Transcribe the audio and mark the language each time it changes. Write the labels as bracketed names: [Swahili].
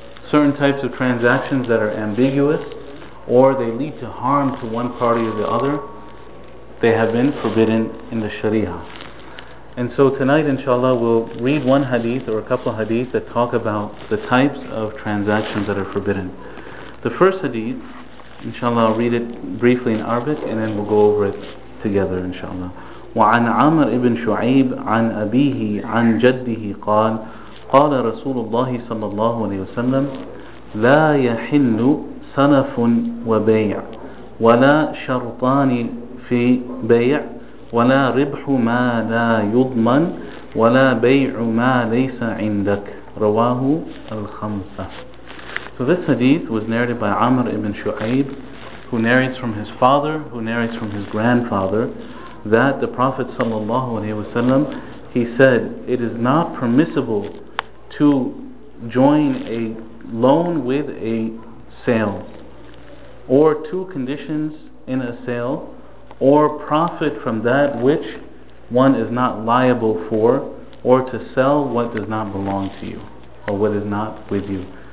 [English] Certain types of transactions that are ambiguous or they lead to harm to one party or the other, they have been forbidden in the Sharia. And so tonight, inshallah, we'll read one hadith or a couple of hadith that talk about the types of transactions that are forbidden. The first hadith, inshallah, I'll read it briefly in Arabic and then we'll go over it together, inshallah. [Arabic] وعن عمر ابن شعيب عن أبيه عن جده قال قال رسول الله صلى الله عليه وسلم لا يحل صنف وبيع ولا شرطان في بيع ولا ربح ما لا يضمن ولا بيع ما ليس عندك رواه الخمسة. [English] So this hadith was narrated by Amr ibn Shu'ayb, who narrates from his father, who narrates from his grandfather, that the Prophet sallallahu alaihi wasallam, he said, it is not permissible to join a loan with a sale, or two conditions in a sale, or profit from that which one is not liable for, or to sell what does not belong to you, or what is not with you.